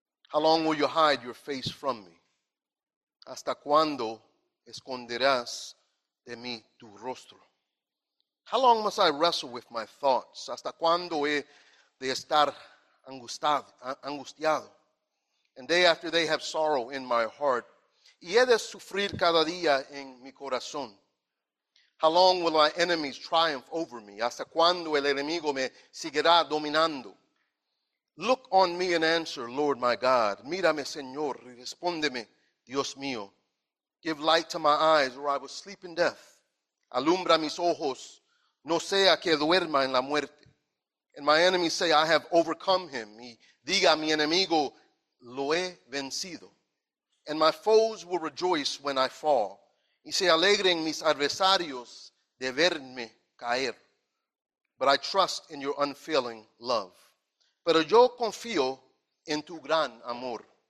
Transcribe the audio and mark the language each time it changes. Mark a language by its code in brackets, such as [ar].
[en] How long will you hide your face from me? [es] ¿Hasta cuándo esconderás de mí tu rostro? [en] How long must I wrestle with my thoughts? [es] ¿Hasta cuándo he de estar angustiado? [en] And day after day have sorrow in my heart. [es] ¿Y he de sufrir cada día en mi corazón? [en] How long will my enemies triumph over me? [es] ¿Hasta cuándo el enemigo me seguirá dominando? [en] Look on me and answer, Lord my God. [es] Mírame, Señor, y respóndeme. Dios mío, [en] give light to my eyes or I will sleep in death. [es] Alumbra mis ojos, no sea que duerma en la muerte. [en] And my enemies say, I have overcome him. [es] Y diga mi enemigo, lo he vencido. [en] And my foes will rejoice when I fall. [es] Y se alegren mis adversarios de verme caer. [en] But I trust in your unfailing love. [es] Pero yo confío en tu gran amor.